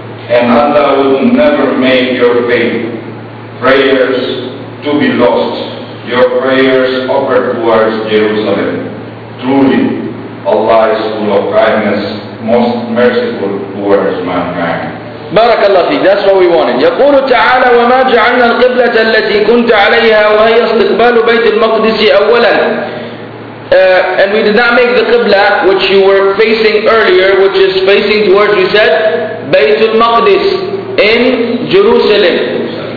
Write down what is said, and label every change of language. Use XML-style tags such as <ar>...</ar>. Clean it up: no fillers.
<en>And Allah will never make your faith prayers to be lost, your prayers offered towards Jerusalem. Truly, Allah is full of kindness, most merciful towards mankind.</en> <ar>بارك الله فيك.</ar> <en>That's what we wanted.</en> <ar>يقول تعالى وما جعلنا القبلة التي كنت عليها وهي استقبال بيت المقدس أولا.</ar> <en>And we did not make the Qibla which you were facing earlier, which is facing towards, we said, Bayt al-Maqdis in Jerusalem.</en>